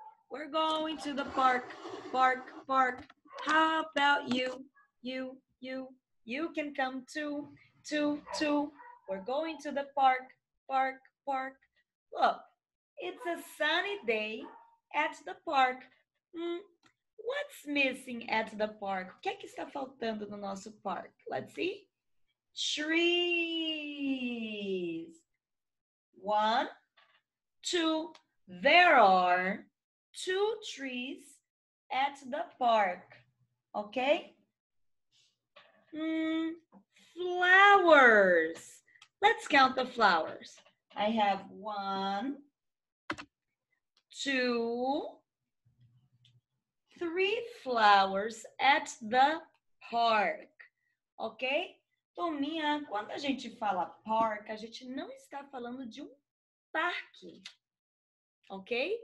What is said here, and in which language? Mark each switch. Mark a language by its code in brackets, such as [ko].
[en] We're going to the park. Park, park. How about you? You, you, you can come too. Two, two. We're going to the park. Park, park. Look, it's a sunny day at the park. What's missing at the park? [pt] O que é que está faltando no nosso park? [en] Let's see. Trees. One, two. There are two trees at the park. Okay? Flowers. Let's count the flowers. I have one, two, three flowers at the park, ok? [pt] Tominha, quando a gente fala park, a gente não está falando de parque, ok?